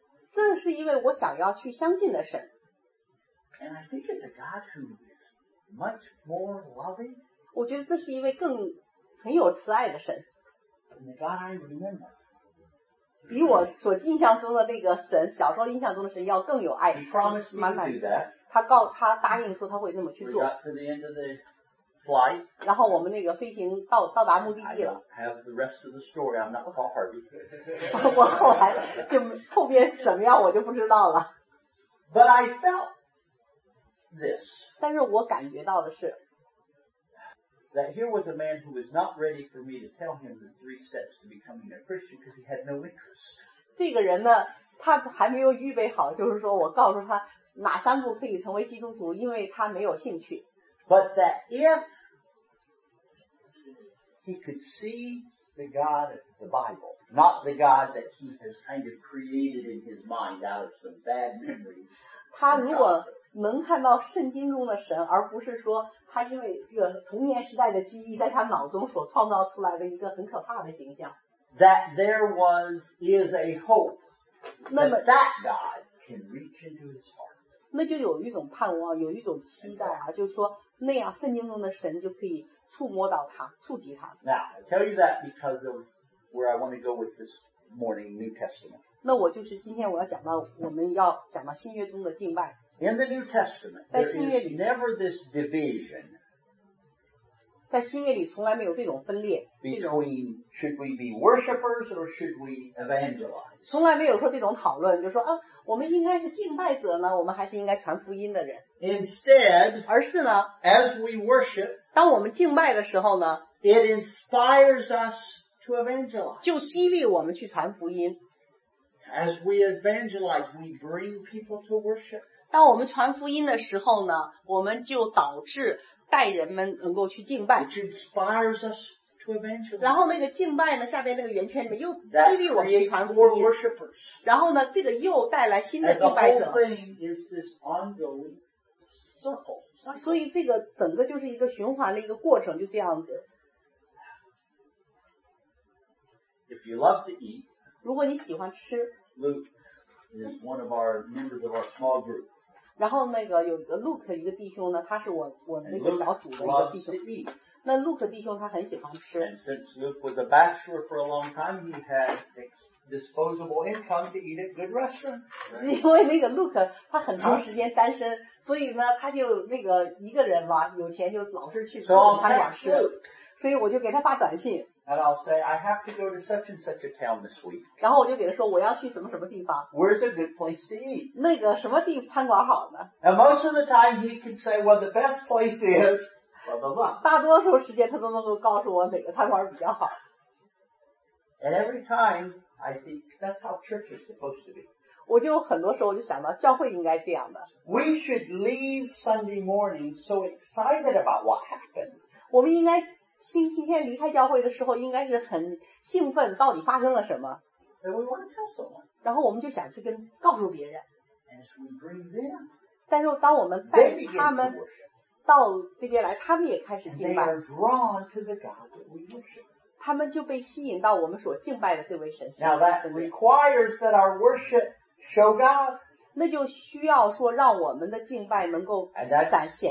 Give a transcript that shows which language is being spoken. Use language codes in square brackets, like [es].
[zh] 这是因为我想要去相信的神。 [en] And I think it's a God who is much more loving. [zh] 我觉得这是一位更很有慈爱的神。 [en] And the God I remember. [zh] 比我所印象中的那个神，小时候印象中的神要更有爱。 [en] He promised me to do that. [zh] 他答应说他会这么去做。 [en] We got to the end of the... Flight. [zh] 然后我们那个飞行到达目的地了。 [en] I don't have the rest of the story. I'm not Paul Harvey. [zh] 我后来就后边怎么样我就不知道了。 [en] But I felt this. [zh] 但是我感觉到的是 [en] that here was a man who was not ready for me to tell him the three steps to becoming a Christian because he had no interest. [zh] 这个人呢，他还没有预备好，就是说我告诉他哪三步可以成为基督徒，因为他没有兴趣。 [en] But that if he could see the God of the Bible, not the God that he has kind of created in his mind out of some bad memories. [zh] 他如果能看到圣经中的神，而不是说他因为这个童年时代的记忆在他脑中所创造出来的一个很可怕的形象。 [en] That there is a hope that God can reach into his heart. [zh] 那就有一种盼望，有一种期待啊，就是说那样，圣经中的神就可以触摸到他，触及他。 [en] Now, I tell you that because of where I want to go with this morning, New Testament. [zh] 那我就是今天我要讲到，我们要讲到新约中的敬拜。 [en] In the New Testament, there is never this division. [zh] 在新约里从来没有这种分裂。 [en] Between should we be worshippers or should we evangelize? [zh] 从来没有说这种讨论，就说啊，我们应该是敬拜者呢，我们还是应该传福音的人。 [en] Instead, [zh] 而是呢 [en] as we worship, [zh] 当我们敬拜的时候呢 [en] it inspires us to evangelize. [zh] 就激励我们去传福音。 [en] As we evangelize, we bring people to worship. [zh] 当我们传福音的时候呢我们就导致带人们能够去敬拜。 [en] Which inspires us to evangelize. [zh] 然后那个敬拜呢下边那个圆圈里面又激励我们去传福音。 [en] That creates more worshipers. [zh] 然后呢这个又带来新的敬拜者。 [en] And the whole thing is this ongoing. Circle. [zh] 所以这个整个就是一个循环的一个过程，就这样子。 [en] If you love to eat, [zh] 如果你喜欢吃 [en] ，Luke is one of our members of our small group. [zh] 然后那个有一个 Luke 一个弟兄呢，他是我那个小组的一个弟兄。那 Luke 弟兄他很喜欢吃。 [en] And since Luke was a bachelor for a long time, he had disposable income to eat at good restaurants. [zh] 因为那个 Luke 他很长时间单身。所以呢他就那个一个人嘛有钱就老是去餐馆吃。所以我就给他发短信。 [en] And I'll say, I have to go to such and such a town this week. [zh] 然后我就给他说我要去什么什么地方。 [en] Where's a good place to eat? [zh] 那个什么地餐馆好呢 [en] And most of the time he can say, well, the best place is, blah, blah, blah. [zh] 大多数时间他都能够告诉我哪个餐馆比较好。 [en] And every time, I think that's how church is supposed to be. [zh] 我就很多时候就想到教会应该这样的。 [en] We should leave Sunday morning so excited about what happened. [zh] 我们应该星期天离开教会的时候应该是很兴奋到底发生了什么。 [en] And we want to tell someone. [zh] 然后我们就想去跟告诉别人。 [en] As we bring them. [zh] 但是当我们带他们到这边来他们也开始敬拜。 [en] And they are drawn to the God that we worship. [zh] 他们就被吸引到我们所敬拜的这位神。 [en] Now that requires that our worship show God. [zh] 那就需要说让我们的敬拜能够展现。